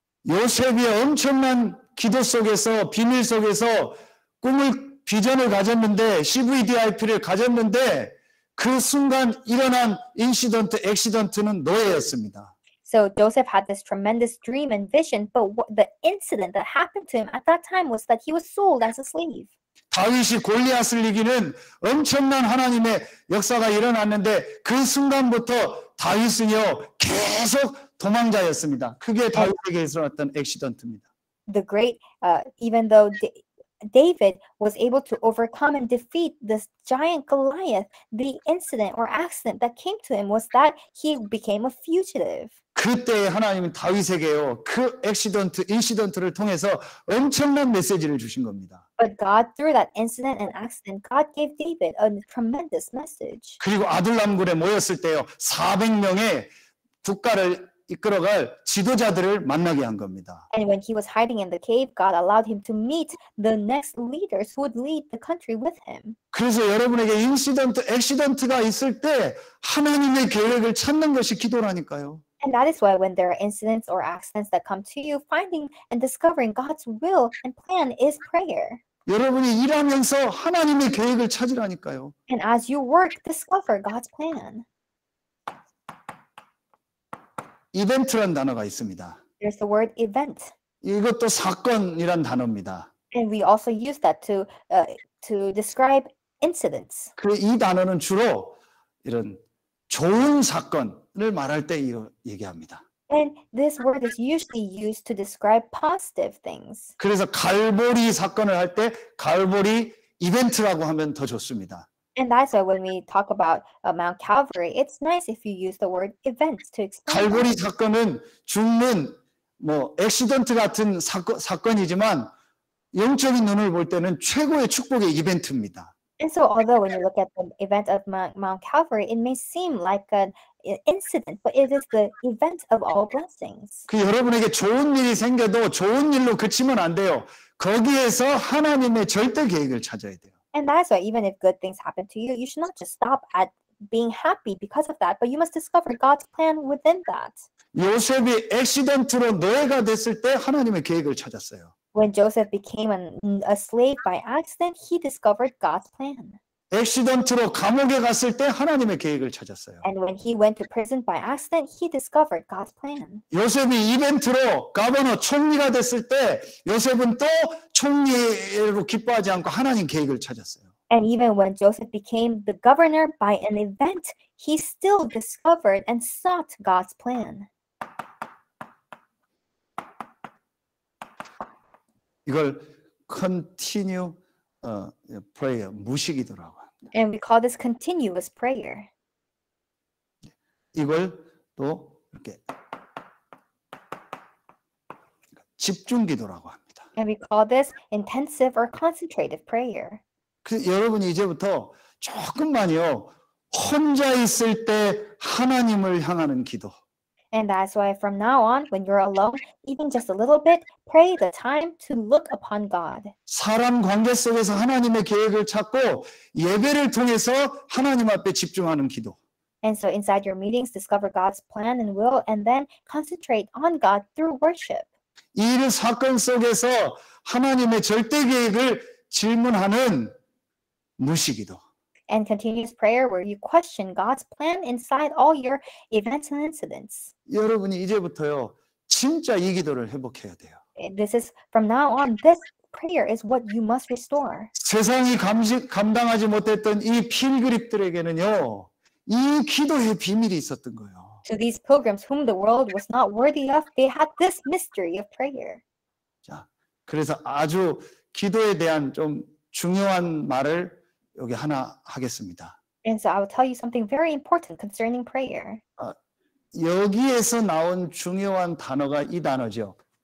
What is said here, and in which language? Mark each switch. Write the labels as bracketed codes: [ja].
[ko] 요셉이 엄청난 기도 속에서 비밀 속에서 꿈을 비전을 가졌는데 CVDIP를 가졌는데 그 순간 일어난 인시던트, 액시던트는 노예였습니다. [en] So Joseph had this tremendous dream and vision, but the incident that happened to him at that time was that he was sold as a slave. [ko] 다윗이 골리앗을 이기는 엄청난 하나님의 역사가 일어났는데 그 순간부터 다윗은요 계속 도망자였습니다. 그게 다윗에게 일어났던 액시던트입니다. [en] The great, even though David was able to overcome and defeat this giant Goliath, the incident or accident that came to him was that he became a fugitive. [ko] 그때 하나님은 다윗에게요 그 액시던트, 인시던트를 통해서 엄청난 메시지를 주신 겁니다. [en] But God, through that incident and accident, God gave David a tremendous message. [ko] 그리고 아둘람굴에 모였을 때요, 400명의 국가를 이끌어갈 지도자들을 만나게 한 겁니다. [en] And when he was hiding in the cave, God allowed him to meet the next leaders who would lead the country with him. [ko] 그래서 여러분에게 인시던트, 액시던트가 있을 때 하나님의 계획을 찾는 것이 기도라니까요. [en] And that is why when there are incidents or accidents that come to you, finding and discovering God's will and plan is prayer. [ko] 여러분이 일하면서 하나님의 계획을 찾으라니까요. [en] And as you work, discover God's plan. [ko] 이벤트란 단어가 있습니다. [en] There's the word event. [ko] 이것도 사건이란 단어입니다. [en] And we also use that to describe incidents. [ko] 그리고 이 단어는 주로 이런 좋은 사건 를 말할 때 이 얘기합니다. [en] And this word is usually used to describe positive things. [ko] 그래서 갈보리 사건을 할 때 갈보리 이벤트라고 하면 더 좋습니다. [en] And that's why when we talk about Mount Calvary, it's nice if you use the word events to explain. [ko] 갈보리 사건은 죽는 뭐 액시던트 같은 사건이지만 영적인 눈을 볼 때는 최고의 축복의 이벤트입니다. [en] And so although when you look at the event of Mount Calvary, it may seem like an incident, but it is the event of all blessings. [ko] 그 여러분에게 좋은 일이 생겨도 좋은 일로 그치면 안 돼요. 거기에서 하나님의 절대 계획을 찾아야 돼요. [en] And that's why even if good things happen to you, you should not just stop at being happy because of that, but you must discover God's plan within that. [ko] 요셉이 액시던트로 노예가 됐을 때 하나님의 계획을 찾았어요. [en] When Joseph became a slave by accident, he discovered God's plan. [ko] 액시던트로 감옥에 갔을 때 하나님의 계획을 찾았어요. [en] And when he went to prison by accident, he discovered God's plan. [ko] 요셉이 이벤트로 가버너 총리가 됐을 때 요셉은 또 총리로 기뻐하지 않고 하나님 계획을 찾았어요. [en] And even when Joseph became the governor by an event, he still discovered and sought God's plan. [ko] 이걸 [en] continue prayer [ko] 무식이더라고. [en] And we call this continuous prayer. [ko] 이걸 또 이렇게 집중 기도라고 합니다. [en] And we call this intensive or concentrated prayer. [ko] 그 여러분 이제부터 조금만요. 혼자 있을 때 하나님을 향하는 기도. [en] And that's why from now on, when you're alone, even just a little bit, pray the time to look upon God. [ko] 사람 관계 속에서 하나님의 계획을 찾고 예배를 통해서 하나님 앞에 집중하는 기도. [en] And so inside your meetings, discover God's plan and will, and then concentrate on God through worship. [ko] 이런 사건 속에서 하나님의 절대 계획을 질문하는 무식이도. [en] And continuous prayer where you question God's plan inside all your events and incidents. [ko] 여러분이 이제부터요, 진짜 이 기도를 회복해야 돼요. [en] This is from now on, this prayer is what you must restore. [ko] 세상이 감당하지 못했던 이 필그립들에게는요, 이 기도의 비밀이 있었던 거예요. [en] To these pilgrims whom the world was not worthy of, they had this mystery of prayer. [ko] 자, 그래서 아주 기도에 대한 좀 중요한 말을 여기 하나 하겠습니다. [en] And so I will tell you something very important concerning prayer. [ko] 아, 여기에서 나온 중요한 단어가 이 단어죠.